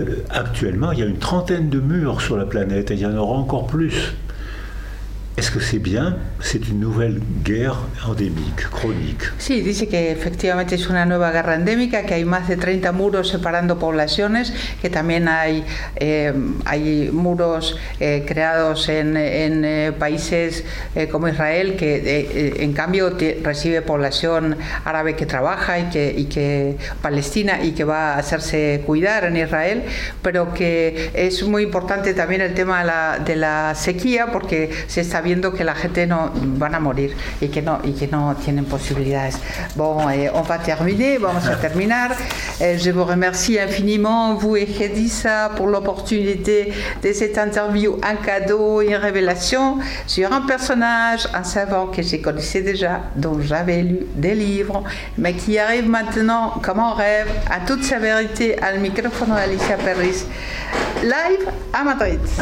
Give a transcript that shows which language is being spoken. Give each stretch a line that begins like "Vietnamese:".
French: Actuellement, il y a une trentaine de murs sur la planète et il y en aura encore plus. Est-ce que c'est bien? C'est une nouvelle guerre endémique, chronique.
Spanish: Sí, dice que efectivamente es una nueva guerra endémica, que hay más de 30 muros separando poblaciones, que también hay muros creados en países como Israel, que en cambio recibe población árabe que trabaja y que palestina y que va a hacerse cuidar en Israel, pero que es muy importante también el tema de la sequía, porque se está viendo que la gente no van a morir y que no tienen posibilidades.
French: Bon, on va terminer,
Spanish: vamos a terminar.
French: Je vous remercie infiniment, vous et Khedisa, pour l'opportunité de cette interview, un cadeau, une révélation sur un personnage, un savant que j'ai connaissé déjà, dont j'avais lu des livres, mais qui arrive maintenant comme en rêve, à toute sa vérité, à le microphone d'Alicia Perris, live à Madrid.